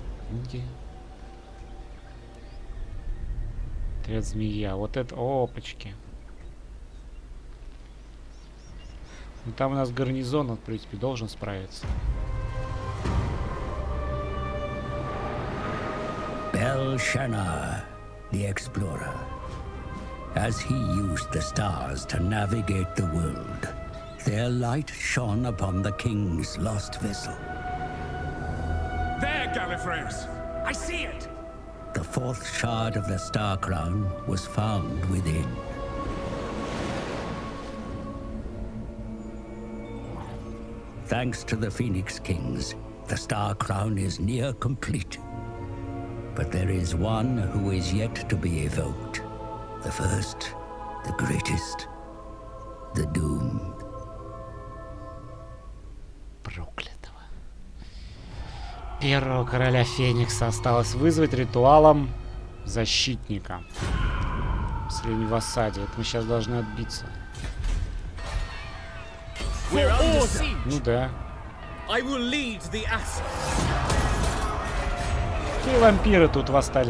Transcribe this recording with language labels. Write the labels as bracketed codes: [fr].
[ru] Гунги. Тряд змея. Вот это... Опачки. Ну, там у нас гарнизон, он, в принципе, должен справиться. [en] Бел-Шана, the explorer. As he used the stars to navigate the world, their light shone upon the king's lost vessel. There, Gallifreyus! I see it! The fourth shard of the Star Crown was found within. Thanks to the Phoenix Kings, the Star Crown is near complete. But there is one who is yet to be evoked. The first, the greatest, the Doomed. [ru] Первого короля Феникса осталось вызвать ритуалом защитника. Если не в осаде, это мы сейчас должны отбиться. Ну да. [en] I will lead the [ru] и вампиры тут восстали.